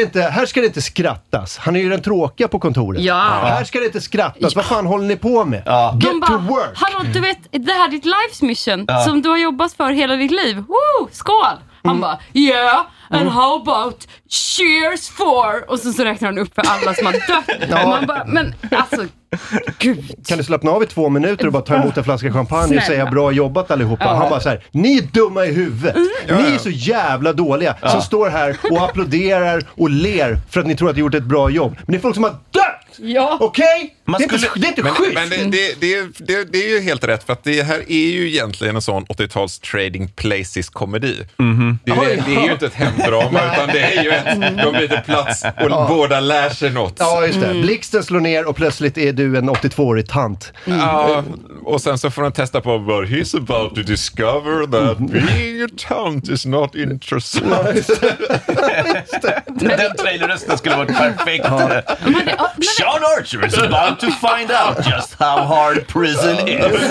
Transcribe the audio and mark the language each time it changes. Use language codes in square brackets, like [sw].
[sv] Här ska det inte skrattas. Han är ju den tråkiga på kontoret. Ja. Här ska det inte skrattas. Ja. Vad fan håller ni på med? [en] Ja. Get to work. [sv] Hallå, du vet, det här är ditt [en] life's mission. [sv] Ja. Som du har jobbat för hela ditt liv. Woo, skål! Han bara, [en] yeah, and how about cheers for? [sv] Och så räknar han upp för alla som har dött. Ja. Man bara, men alltså, gud. Kan du slappna av i 2 minuter och bara ta emot en flaska champagne och säga bra jobbat allihopa? Han bara så här, ni är dumma i huvudet. Ni är så jävla dåliga som står här och applåderar och ler för att ni tror att ni gjort ett bra jobb. Men det är folk som har dött! Ja. Okej? Okay? Det är inte schysst. Men det är ju helt rätt, för att det här är ju egentligen en sån 80-tals Trading Places komedi. Det är ju inte ett hemdrama utan det är ju ett de byter plats och båda lär sig något. Ja, just det. Blixten slår ner och plötsligt är du en 82-årig tant. Ja, och sen så får han testa på vad [en] he's about to discover that being a tant is not interesting. Ja, [sv] den trailerrösten skulle vara perfekt. Ja. [en] Sean Archer is about to find out just how hard prison is.